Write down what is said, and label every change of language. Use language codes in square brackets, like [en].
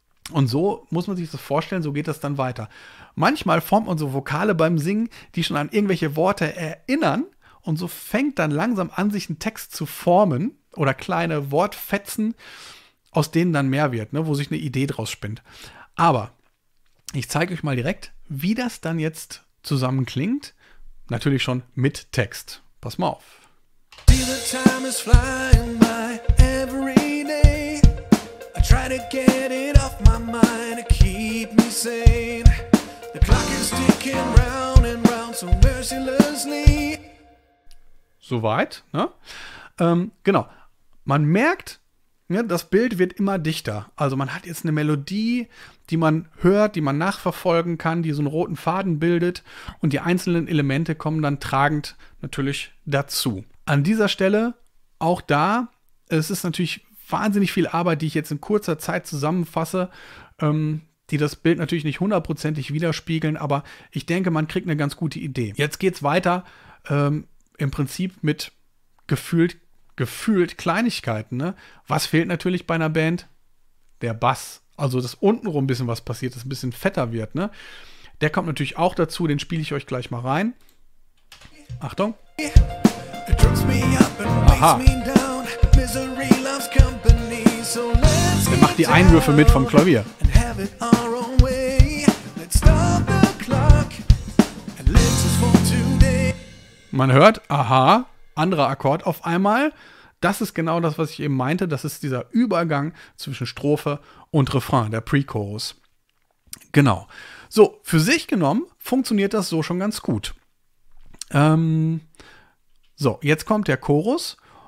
[de] Und so muss man sich das vorstellen, so geht das dann weiter. Manchmal formt man so Vokale beim Singen, die schon an irgendwelche Worte erinnern und so fängt dann langsam an, sich einen Text zu formen oder kleine Wortfetzen, aus denen dann mehr wird, ne, wo sich eine Idee draus spinnt. Aber ich zeige euch mal direkt, wie das dann jetzt zusammen klingt. Natürlich schon mit Text. Pass mal auf. [en] The time is flying by every day. I try to get it off my mind to keep me sane. The clock is ticking round and round so mercilessly. [de] Soweit, ne? Genau. Man merkt, ja, das Bild wird immer dichter. Also man hat jetzt eine Melodie, die man hört, die man nachverfolgen kann, die so einen roten Faden bildet und die einzelnen Elemente kommen dann tragend natürlich dazu. An dieser Stelle, auch da, es ist natürlich wahnsinnig viel Arbeit, die ich jetzt in kurzer Zeit zusammenfasse, die das Bild natürlich nicht hundertprozentig widerspiegeln, aber ich denke, man kriegt eine ganz gute Idee. Jetzt geht's weiter, im Prinzip mit gefühlt Kleinigkeiten. Ne? Was fehlt natürlich bei einer Band? Der Bass. Also dass untenrum ein bisschen was passiert, dass ein bisschen fetter wird. Ne? Der kommt natürlich auch dazu, den spiele ich euch gleich mal rein. Achtung. [en] trips me up and weighs me down. Misery loves company, so let's get down. [de] Mach die Einwürfe mit vom Klavier. [en] And have it our own way. Let's stop the clock and live just for today. [de] Man hört, aha, anderer Akkord auf einmal. Das ist genau das, was ich eben meinte. Das ist dieser Übergang zwischen Strophe und Refrain, der Pre-Chorus. Genau. So, für sich genommen funktioniert das so schon ganz gut. So, jetzt kommt der Chorus.